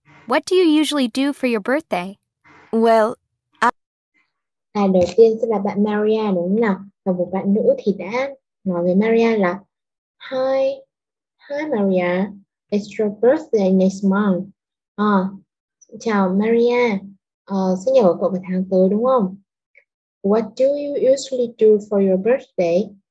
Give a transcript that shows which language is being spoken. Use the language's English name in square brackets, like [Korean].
[English] What do you usually do for your birthday? Well, [Vietnamese] đầu tiên sẽ là bạn Maria, đúng không nào? Và một bạn nữ thì đã nói với Maria là [English] Hi, Maria. It's your birthday next month. [Vietnamese] Chào Maria. Sinh nhật của cậu vào tháng tới, đúng không? [English] What do you usually do for your birthday?